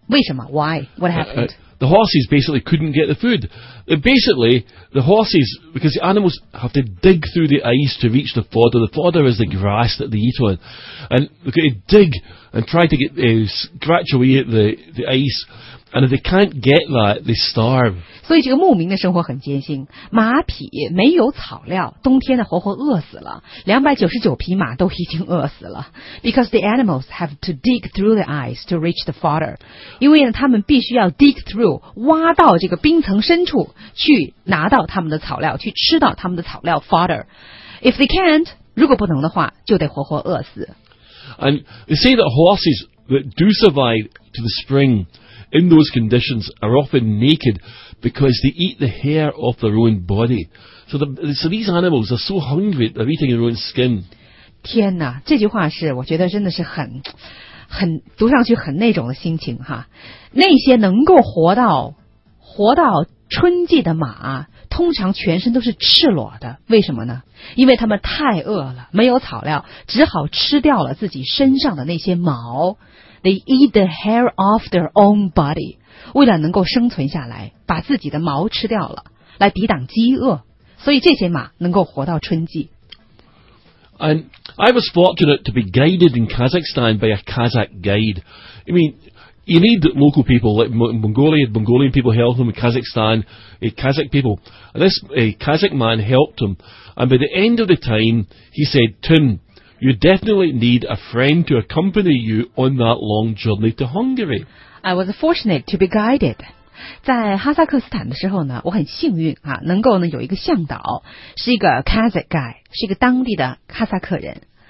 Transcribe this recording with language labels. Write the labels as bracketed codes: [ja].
[zh] 为什么？ [en] Why? What happened? The horses basically couldn't get the food. Basically, the horses, because the animals have to dig through the ice to reach the fodder is the grass that they eat on. And they've got to dig and try to get, scratch away at the ice. And if they can't get that, they starve. [zh] 所以这个牧民的生活很艰辛。马匹没有草料，冬天的活活饿死了。 299匹马都已经饿死了。 [en] Because the animals have to dig through the ice to reach the fodder. [zh] 因为呢他们必须要 [en] dig through. [zh] 挖到这个冰层深处去拿到他们的草料去吃到他们的草料 fodder. [en] If they can't, [zh] 如果不能的话就得活活饿死。 [en] And they say that horses that do survive to the spring in those conditions are often naked because they eat the hair off their own body. So these animals are so hungry they're eating their own skin. [zh] 天哪，这句话是我觉得真的是很读上去很那种的心情哈，那些能够活到春季的马，通常全身都是赤裸的，为什么呢？因为他们太饿了，没有草料，只好吃掉了自己身上的那些毛。 [en] They eat the hair off their own body， [zh] 为了能够生存下来，把自己的毛吃掉了，来抵挡饥饿。所以这些马能够活到春季。 [en] And I was fortunate to be guided in Kazakhstan by a Kazakh guide. I mean, you need local people, like Mongolian people help them, Kazakhstan, Kazakh people. And this Kazakh man helped him. And by the end of the time, he said, Tim, you definitely need a friend to accompany you on that long journey to Hungary. I was fortunate to be guided. [zh] 在哈萨克斯坦的时候呢，我很幸运啊，能够呢有一个向导，是一个 [en] Kazakh guy， [zh] 是一个当地的哈萨克人。